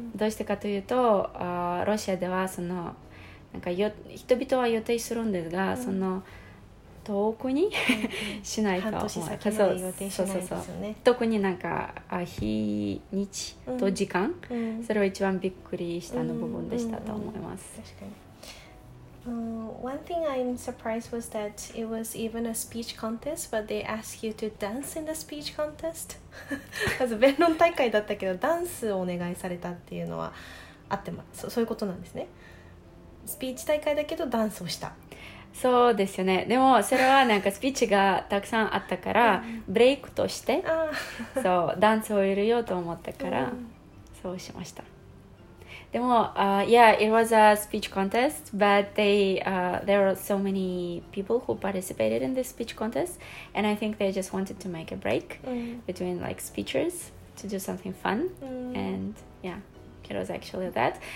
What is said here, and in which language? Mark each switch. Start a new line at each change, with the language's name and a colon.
Japanese: どうしてかというと、ロシアではそのなんか人々は予定するんですが、その遠くにしないと、半年先まで予定しないですよね。特になんか日にちと時間、それは一番びっくりしたの部分でしたと思います。確かに。
English: One thing I'm surprised was that it was even a speech contest, but they asked you to dance in the speech contest.
Japanese: まず弁論大会だったけどダンスをお願いされたっていうのはあってます。そういうことなんですね。スピーチ大会だけどダンスをした。そうですよね。でもそれはなんかスピーチがたくさんあったからブレイクとしてそうダンスを入れようと思ったからそうしました。
English: でも、yeah, it was a speech contest, but there were so many people who participated in this speech contest, and I think they just wanted to make a break between like speeches to do something fun, and yeah, it was actually that.